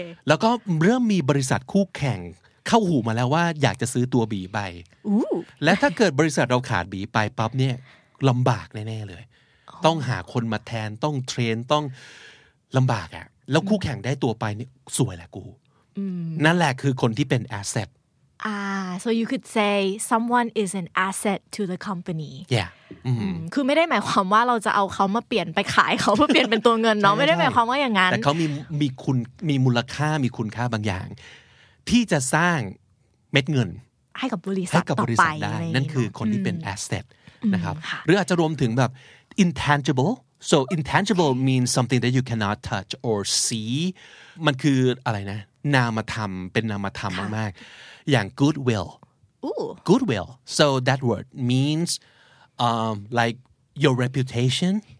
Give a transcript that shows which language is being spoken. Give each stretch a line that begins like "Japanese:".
Thai: ยแล้วก็เริ่มมีบริษัทคู่แข่งเข้าหูมาแล้วว่าอยากจะซื้อตัวบีไปและถ้าเกิดบริษัทเราขาดบีไปปั๊บเนี่ยลำบากแน่ๆเลยต้องหาคนมาแทนต้องเทรนต้องลำบากอะแล้วคู่แข่งได้ตัวไปนี่สวยแหละกูนั่นแหละคือคนที่เป็นแอสเซท
English: so you could say someone is an asset to the company yeah
Thai: คือไม่ได้หมายความว่าเราจะเอาเขามาเปลี่ยนไปขายเขาเพื่อเปลี่ยนเป็นตัวเงินเนาะไม่ได้หมายความว่าอย่างนั้น แต่เขามีคุณมีมูลค่ามีคุณค่าบางอย่างที่จะสร้างเม็ดเงิน ให้กับบริษัทต่อไป ได้นั่นคือคนที่เป็น
English: asset
Thai: นะครับหรืออาจจะรวมถึงแบบ
English: intangible so intangible means something that you cannot touch or see
Thai: มันคืออะไรนะนามธรรมเป็นนามธรรมมากๆอย่าง
English: goodwill goodwill so that word means like your reputation